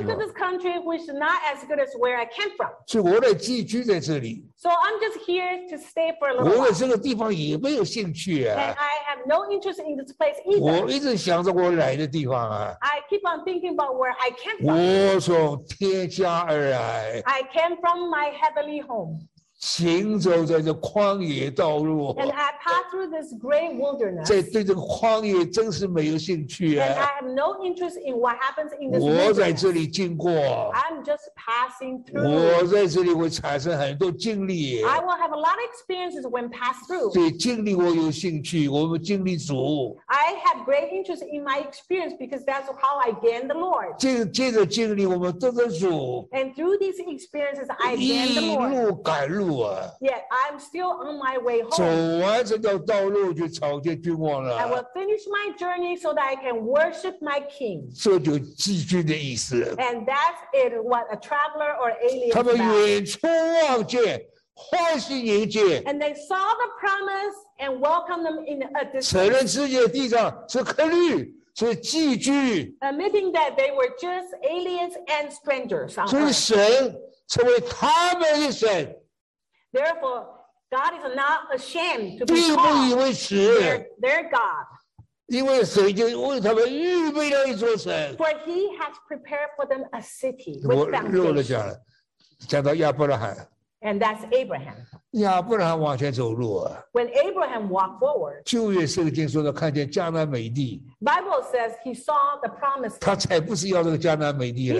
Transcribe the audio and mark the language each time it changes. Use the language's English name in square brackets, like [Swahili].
[English] I come to this country, which is not as good as where I came from. [Chinese] 所以我来寄居在这里。 [English] So I'm just here to stay for a little. [Chinese] 我对这个地方也没有兴趣啊。 [English] And I have no interest in this place either. [Chinese] 我一直想着我来的地方啊。 [English] I keep on thinking about where I came from. [Chinese] 我从天家而来。 [English] I came from my heavenly home. [Chinese] 行走在这旷野道路。 [English] And I pass through this great wilderness. [Chinese] 在对这个旷野真是没有兴趣啊。 [English] And I have no interest in what happens in this [Chinese] wilderness. 我在这里经过。 [English] I'm just passing through. [Chinese] 我在这里会产生很多经历。 [English] I will have a lot of experiences when passed through. [Chinese] 对经历我有兴趣，我们经历主。 [English] I have great interest in my experience because that's how I gain the Lord. [Chinese] 借着经历我们得着主。 [English] And through these experiences, I gain the Lord. [Chinese] 一路赶路。 [English] Yet I'm still on my way home. [Chinese] 走完这条道路就朝见君王了。 [English] I will finish my journey so that I can worship my king. [Chinese] 这就寄居的意思。 [English] And that is what a traveler or alien. [Chinese] 他们远处望见，欢喜迎接。 [English] And they saw the promise and welcomed them in a distance. [Chinese] 承认自己的地上是客旅。是寄居 [English] ，admitting that they were just aliens and strangers. [Chinese] 所以神成为他们的神。 [English] Therefore, God is not ashamed to be called. [Chinese] 并不以为耻。 [English] Their God. [Chinese] 因为神已经为他们预备了一座城。 [English] For He has prepared for them a city with foundation. [Chinese] 我漏了讲了，讲到亚伯拉罕。 [English] And that's Abraham. [Chinese] 亚伯拉罕往前走路啊。 [English] When Abraham walked forward， [Chinese] 旧约圣经说他看见迦南美地。 [English] Bible says he saw the promised land。 [Chinese] 他才不是要这个迦南美地了。